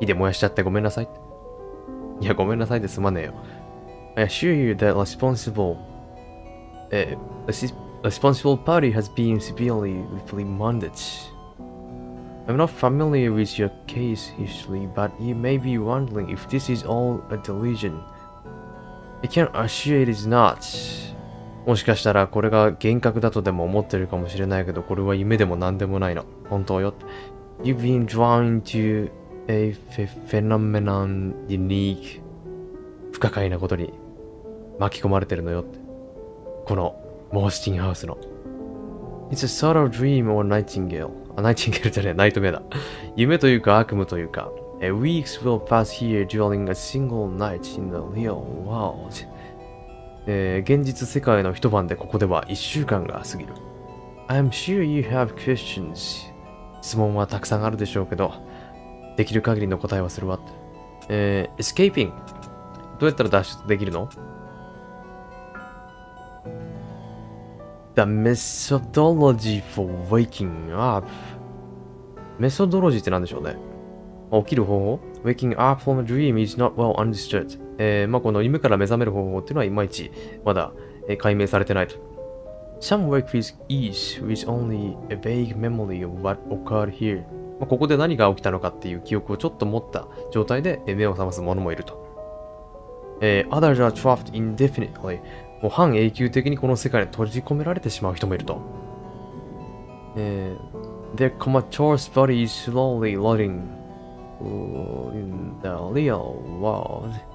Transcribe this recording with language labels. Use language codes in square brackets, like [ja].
[ja] 火で燃やしちゃってごめんなさい。いや、ごめんなさいですまねえよ。 [en] I assure you that responsible party has been severely reprimanded. I'm not familiar with your case history, but you may be wondering if this is all a delusion. I can assure it is not. [ja] もしかしたらこれが幻覚だとでも思ってるかもしれないけど、これは夢でも何でもないの。本当よ。 [en] You've been drawn into a phenomenon unique. [ja] 不可解なことに巻き込まれてるのよって。このモースティンハウスの。 [en] It's a sort of dream or nightingale. [ja] あ、ナイチンゲールじゃねえ、ナイトメアだ。夢というか悪夢というか。 [en] Weeks will pass here during a single night in the real world. [ja] 現実世界の一晩でここでは一週間が過ぎる。 [en] I'm sure you have questions. [ja] 質問はたくさんあるでしょうけど、できる限りの答えはするわって。エスケーピング。どうやったら脱出できるの？ [en] The methodology for waking up。 [ja] メソドロジーって何でしょうね。起きる方法？ [en] Waking up from a dream is not well understood。 [ja] まあこの夢から目覚める方法っていうのはいまいちまだ解明されてないと。 [en] Some wake with ease with only a vague memory of what occurred here。 [ja] まあここで何が起きたのかっていう記憶をちょっと持った状態で目を覚ます者もいると。 [en] Others are trapped indefinitely。 [ja] もう半永久的にこの世界に閉じ込められてしまう人もいると。 [en] Their comatose body is slowly rotting in the real world。